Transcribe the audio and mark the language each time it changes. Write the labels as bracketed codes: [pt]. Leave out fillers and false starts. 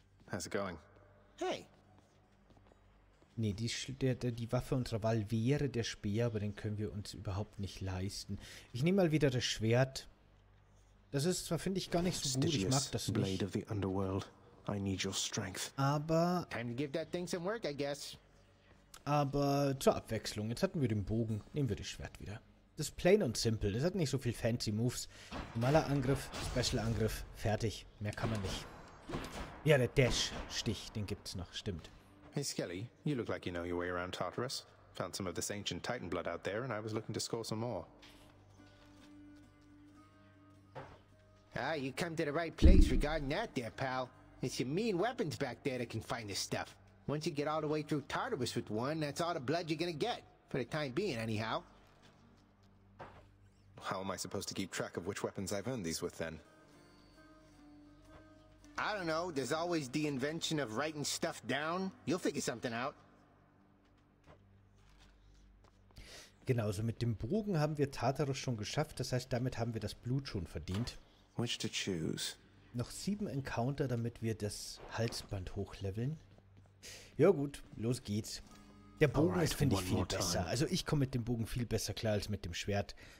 [en] How's it going? Hey! [de] Nee, die Waffe unserer Wahl wäre der Speer, aber den können wir uns überhaupt nicht leisten. Ich nehme mal wieder das Schwert. Das ist zwar, finde ich, gar nicht so gut. Ich mag das nicht. Aber... [en] Time to give that thing some work, I guess. [de] Aber zur Abwechslung. Jetzt hatten wir den Bogen. Nehmen wir das Schwert wieder. Das ist plain und simple. Das hat nicht so viel fancy Moves. Normaler Angriff, Special Angriff, fertig. Mehr kann man nicht. Ja, der Dash-Stich, den gibt's noch. Stimmt. [en] Hey Skelly, you look like you know your way around Tartarus. Found some of this ancient Titan blood out there and I was looking to score some more. Ah, you come to the right place regarding that there, pal. It's your mean weapons back there that can find this stuff. Once you get all the way through Tartarus with one, that's all the blood you're gonna get. For the time being, anyhow. How am I supposed to keep track of which weapons I've earned these with then? I don't know. There's always the invention of writing stuff down. You'll figure something out. [de] Genau, so mit dem Bogen haben wir Tartarus schon geschafft. Das heißt, damit haben wir das Blut schon verdient. [en] Which to choose? [de] Noch 7 Encounter, damit wir das Halsband hochleveln. Ja gut, los geht's. Der Bogen [en] Alright, [de] ist, finde ich, viel besser. Also ich komme mit dem Bogen viel besser klar als mit dem Schwert.